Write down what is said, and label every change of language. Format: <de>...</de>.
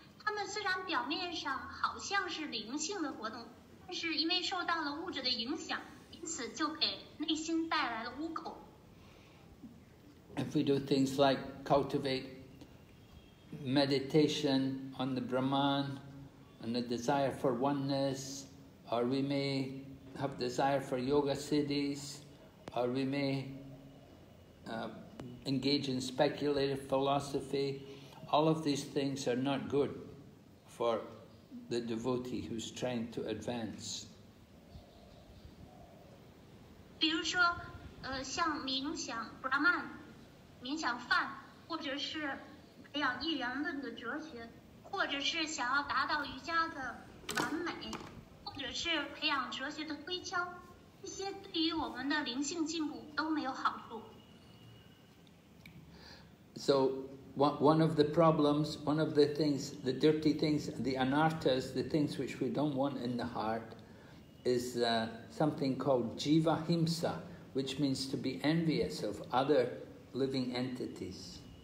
<zh>他们虽然表面上好像是灵性的活动，但是因为受到了物质的影响，因此就给内心带来了污垢。</zh> <en>If we do things like cultivate meditation on the Brahman and the desire for oneness, or we may have desire for yoga siddhis, or we may engage in speculative philosophy, all of these things are not good for the devotee who's trying to advance.</en> <zh>比如说像冥想 Brahman, 冥想梵，或者是培养一元论的哲学，或者是想要达到瑜伽的完美，或者是培养哲学的推敲，这些对于我们的灵性进步都没有好处。</zh> <en>So, one of the problems, one of the things, the dirty things, the anarthas, the things which we don't want in the heart, is something called jiva himsa, which means to be envious of other living entities.</en>